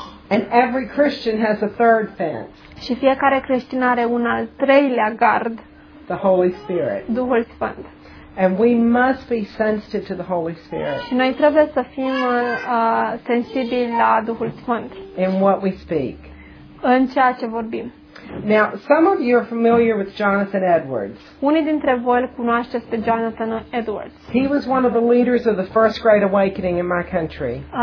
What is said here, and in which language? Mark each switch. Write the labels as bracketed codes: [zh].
[en] And every Christian has a third fence. [ro] Și fiecare creștin are un al treilea gard. [en] The Holy Spirit. [ro] Duhul Sfânt. [en] And we must be sensitive to the Holy Spirit. [ro] Și noi trebuie să fim sensibili la Duhul Sfânt. [en] In what we speak. [ro] În ceea ce vorbim. [en] Now, some of you are familiar with Jonathan Edwards. [ro] Unii dintre voi îl cunoașteți pe Jonathan Edwards. [en] He was one of the leaders of the first great awakening in my country.